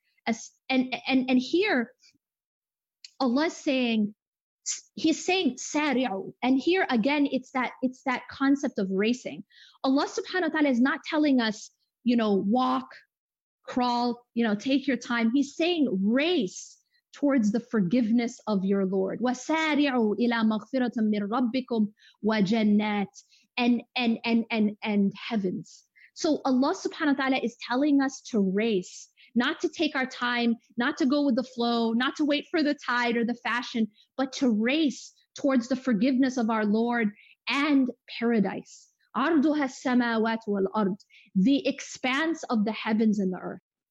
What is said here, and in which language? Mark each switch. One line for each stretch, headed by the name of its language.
English: And here, Allah is saying, He's saying sari'u, and here again, it's that concept of racing. Allah subhanahu wa ta'ala is not telling us, you know, walk, crawl, you know, take your time. He's saying race towards the forgiveness of your Lord.
Arabic: وَسَارِعُوا إِلَى مَغْفِرَةً مِّن رَبِّكُمْ وَجَنَّاتٍ
English: and heavens. So Allah subhanahu wa ta'ala is telling us to race, not to take our time, not to go with the flow, not to wait for the tide or the fashion, but to race towards the forgiveness of our Lord and paradise.
Arabic: عَرْضُهَا السَّمَاوَاتُ وَالْأَرْضِ,
English: the expanse of the heavens and the earth.